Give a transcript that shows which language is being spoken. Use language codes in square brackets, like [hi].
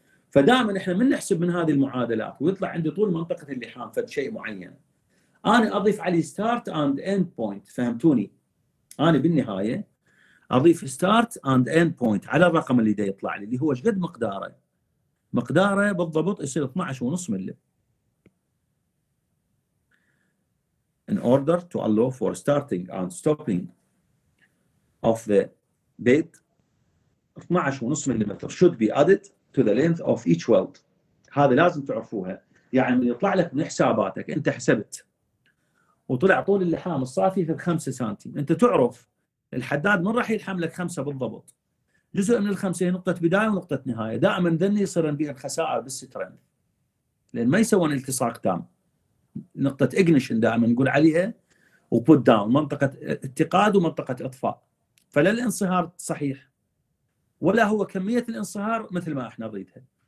[ar] فدائما إحنا من نحسب من هذه المعادلات ويطلع عندي طول منطقة اللحام فد شيء معين، أنا أضيف عليه [en] start and end point، [ar] فهمتوني؟ أنا بالنهاية أضيف start and end point على الرقم اللي دا يطلع لي، اللي هو شقد مقداره، مقداره بالضبط يصير 12.5 ملي. [en] In order to allow for starting and stopping of the bait, 12.5 millimeter should be added to the length of each weld. [ar] هذا لازم تعرفوها، يعني يطلع لك من حساباتك أنت حسبت وطلع طول اللحام الصافي في 5 سنتيم، أنت تعرف الحداد من راح يلحم لك 5 بالضبط، جزء من الخمسة هي نقطة بداية ونقطة نهاية، دائما ذني يصير بها الخسائر بالسترين لأن ما يسوون التصاق تام، نقطة إجنيشن دائما نقول عليها وبوت داون، منطقة اتقاد ومنطقة إطفاء، فلا الانصهار صحيح ولا هو كمية الانصهار مثل ما احنا نريدها.